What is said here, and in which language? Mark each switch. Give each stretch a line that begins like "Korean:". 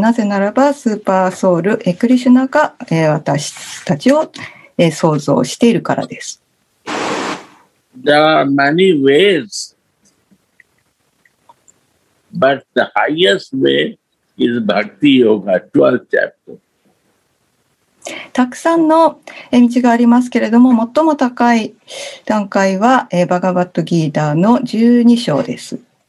Japanese: なぜならばスーパーソウル、クリシュナが、私たちを、創造しているからです。
English: There are many ways, but the highest way is Bhakti Yoga, 12th chapter.
Japanese: たくさんの道がありますけれども、最も高い段階はバガバットギーダーの12章です。